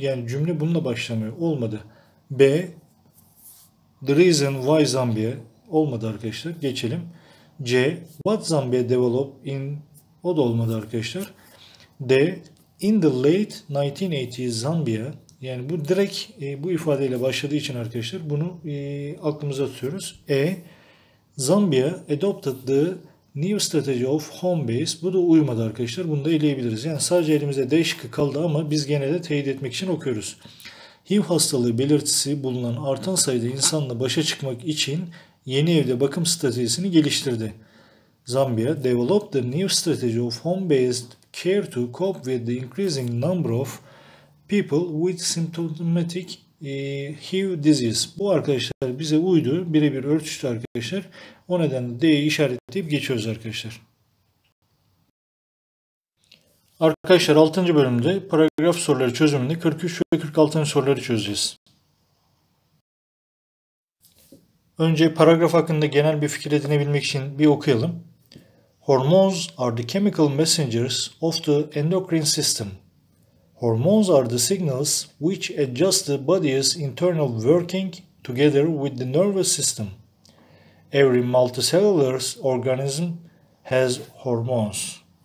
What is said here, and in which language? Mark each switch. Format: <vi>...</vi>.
<tr>Yani cümle bununla başlamıyor. Olmadı. B.</tr> <en>The reason why Zambiya.</en> <tr>Olmadı arkadaşlar. Geçelim. C.</tr> <en>What Zambiya developed in.</en> <tr>O da olmadı arkadaşlar.</tr> <en>D. In the late 1980s Zambiya.</en> <tr>Yani bu direkt bu ifadeyle başladığı için arkadaşlar bunu aklımıza tutuyoruz. E.</tr> <en>Zambiya adopted the new strategy of home base.</en> <tr>Bu da uymadı arkadaşlar. Bunu da eleyebiliriz. Yani sadece elimizde D şıkkı kaldı ama biz gene de teyit etmek için okuyoruz. HIV hastalığı belirtisi bulunan artan sayıda insanla başa çıkmak için yeni evde bakım stratejisini geliştirdi.</tr> <en>Zambiya developed the new strategy of home based care to cope with the increasing number of people with symptomatic HIV disease.</en> <tr>Bu arkadaşlar bize uydu. Birebir örtüştü arkadaşlar. O nedenle D'yi işaretleyip geçiyoruz arkadaşlar. Arkadaşlar 6. bölümde paragraf soruları çözümünde 43 ve 46. soruları çözeceğiz. Önce paragraf hakkında genel bir fikir edinebilmek için bir okuyalım.</tr> <en>Hormones are the chemical messengers of the endocrine system. Hormones are the signals which adjust the body's internal working together with the nervous system. Every multicellular organism has hormones.</en>